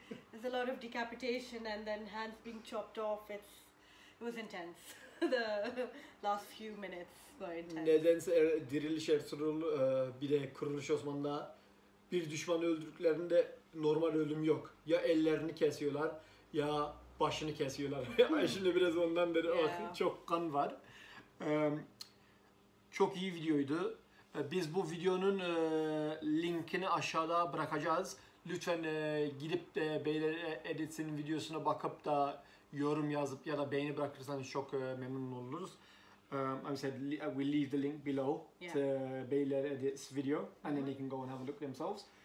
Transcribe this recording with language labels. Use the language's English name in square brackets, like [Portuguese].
[English] There's a lot of decapitation and then hands being chopped off. It was intense. The last few minutes were intense. [Turkish] Nedense diriliş Ertuğrul, bir de kuruluş Osmanlı'da bir düşmanı öldürdüklerinde normal ölüm yok. Ya ellerini kesiyorlar ya başını kesiyorlar. Şimdi biraz ondan beri yeah. Bakın, çok kan var. Çok iyi videoydu. Biz bu videonun linkini aşağıda bırakacağız. Lütfen gidip de Beyler Edits'in videosuna bakıp da yorum yazıp ya da beğeni bırakırsanız çok memnun oluruz. [English] I said we leave the link below yeah. to Beyler Edits video and then they can go and have a look themselves.